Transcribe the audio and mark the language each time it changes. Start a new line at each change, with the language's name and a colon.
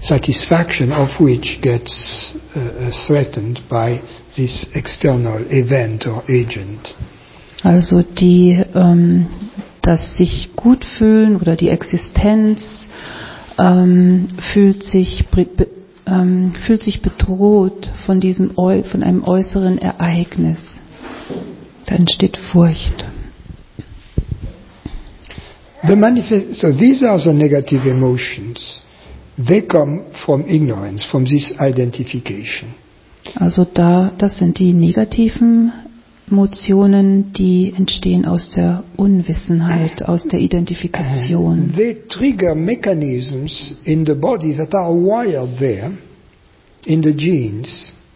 English: satisfaction of which gets threatened by this external event or agent.
German: Also die, das sich gut fühlen oder die Existenz fühlt sich bedroht von diesem von einem äußeren Ereignis. Da entsteht Furcht.
English: So these are the negative emotions. They come from ignorance, from this identification.
German: Also das sind die negativen Emotionen, die entstehen aus der Unwissenheit, aus der Identifikation.
English: They trigger mechanisms in the body that are wired there, in the genes.